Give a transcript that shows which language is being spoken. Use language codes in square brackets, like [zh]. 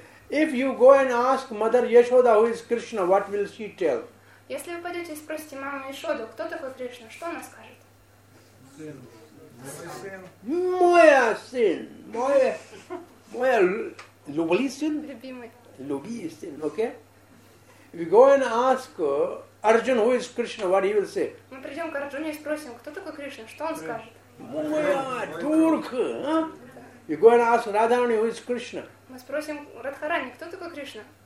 [en] If you go and ask Mother Yashoda who is Krishna, what will she tell? [ru] Если вы пойдете и спросите маму Яшоду, кто такой Кришна, что она скажет? Моя сын, любимый сын. Любимый сын, okay? [en] We go and ask Arjun who is Krishna, what he will say? [ru] Мы придем к Арджуне и спросим, кто такой Кришна, что он скажет? Моя дурка, а? [en] You go and ask Radharani who is Krishna. [ru] Мы спросим Радхарани, кто такой Кришна?